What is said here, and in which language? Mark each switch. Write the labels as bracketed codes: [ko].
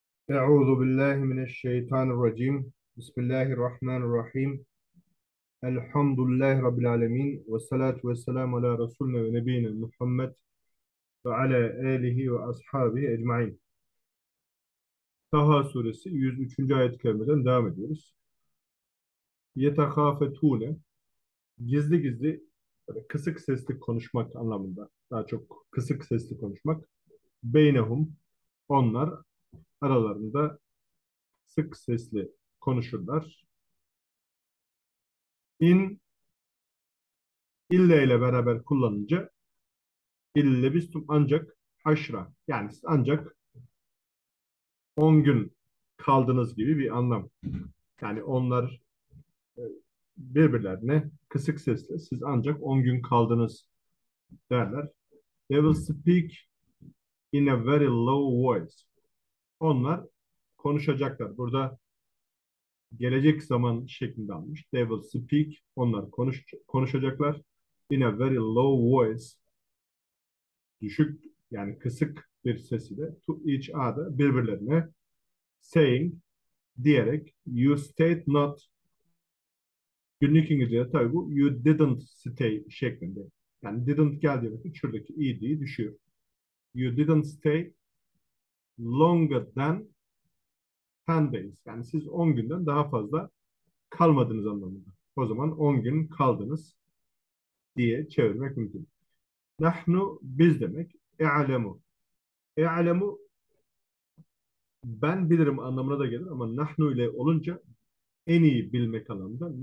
[ar] أعوذ بالله من الشيطان الرجيم. بسم الله الرحمن الرحيم. الحمد لله رب العالمين، والصلاة والسلام على رسولنا ونبينا محمد وعلى آله وأصحابه أجمعين. طه سورة 103. آية كريمة [tr] devam ediyoruz. يتخافتون، gizli gizli, kısık sesli konuşmak anlamında, daha çok kısık sesli konuşmak. Beynehum, onlar aralarında sık sesli konuşurlar. İn ille ile beraber kullanınca ille bistum ancak haşra, yani siz ancak 10 gün kaldınız gibi bir anlam. Yani onlar birbirlerine kısık sesle siz ancak 10 gün kaldınız derler. [en] They will speak in a very low voice. [tr] Onlar konuşacaklar. Burada gelecek zaman şeklinde almış. [en] They will speak. [tr] Onlar konuşacaklar. [en] In a very low voice. [tr] Düşük, yani kısık bir sesiyle. [en] To each other. [tr] Birbirlerine. [en] Saying. [tr] Diyerek. [en] You stayed not. [tr] Günlük İngilizce'de tabii bu. [en] You didn't stay [tr] şeklinde. Yani didn't gel demek. Şuradaki ed düşüyor. [en] You didn't stay longer than 10 days. [tr] Yani siz 10 günden daha fazla kalmadınız anlamında. O zaman 10 gün kaldınız diye çevirmek mümkün. Nahnu biz demek. E'lemu. E'lemu ben bilirim anlamına da gelir ama nahnu ile olunca en iyi bilmek anlamında.